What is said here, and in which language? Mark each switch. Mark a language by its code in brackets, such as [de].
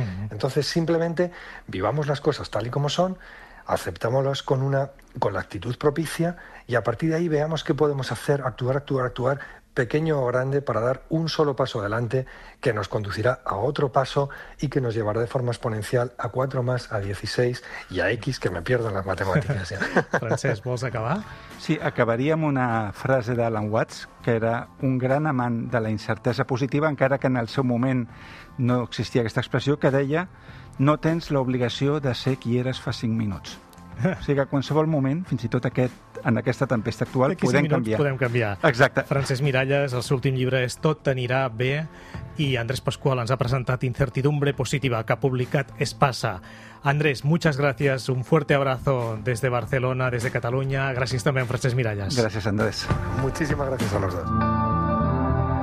[es] Entonces, simplemente vivamos las cosas tal y como son, aceptámoslas con la actitud propicia y a partir de ahí veamos qué podemos hacer, actuar, pequeño o grande, para dar un solo paso adelante que nos conducirá a otro paso y que nos llevará de forma exponencial a 4 más, a 16 y a X, que me pierdo en las matemáticas. Ya. [ca] Francesc, vols acabar? Sí, acabaria amb una frase d'Alan Watts, que era un gran amant de la incertesa positiva, encara que en el seu moment no existia aquesta expressió, que deia: no tens l'obligació de ser qui eres fa 5 minuts. O sigui que en qualsevol moment, fins i tot en aquesta tempesta actual, podem canviar. Exacte. Francesc Miralles, el seu últim llibre és Tot t'anirà bé, i Andrés Pascual ens ha presentat Incertidumbre positiva, que ha publicat Espasa. [es] Andrés, muchas gracias, un fuerte abrazo desde Barcelona, desde Cataluña. Gracias también, Francesc Miralles. Gracias, Andrés. Muchísimas gracias a los dos.